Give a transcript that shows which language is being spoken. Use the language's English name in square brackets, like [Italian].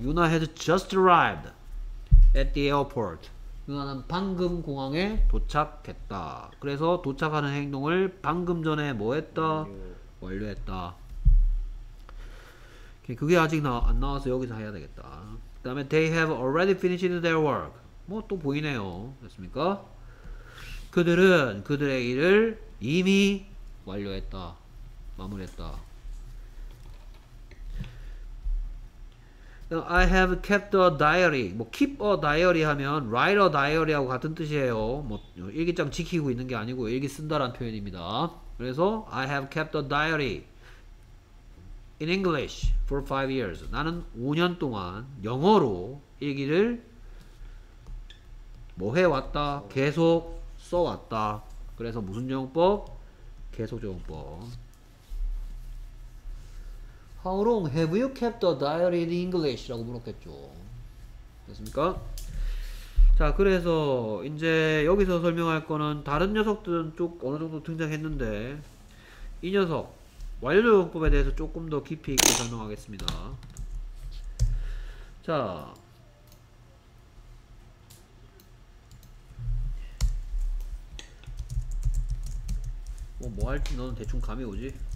[English] Yuna has just arrived at the airport. [Korean] Yuna는 방금 공항에 도착했다. 그래서 도착하는 행동을 방금 전에 뭐 했다? 완료했다. 그게 아직 안 나와서 여기서 해야 되겠다. 그 다음에 [English] they have already finished their work. [Korean] 뭐 또 보이네요. 됐습니까? 그들은 그들의 일을 이미 완료했다. 마무리했다. [English] I have kept a diary. 뭐 keep a diary [Korean] 하면 [English] write a diary하고 [Korean] 같은 뜻이에요. 뭐 일기장 지키고 있는 게 아니고 일기 쓴다라는 표현입니다. 그래서 [English] I have kept a diary in English for 5 years. [Korean] 나는 5년 동안 영어로 일기를 뭐 해 왔다. 계속 써 왔다. 그래서 무슨 적용법? 계속 적용법. [English] How long have you kept a diary in English? [Korean] 라고 물었겠죠. 됐습니까? 자, 그래서 이제 여기서 설명할 거는 다른 녀석들은 쭉 어느 정도 등장했는데 이 녀석 완료 적용법에 대해서 조금 더 깊이 있게 설명하겠습니다. 자, 뭐 할지 너는 대충 감이 오지?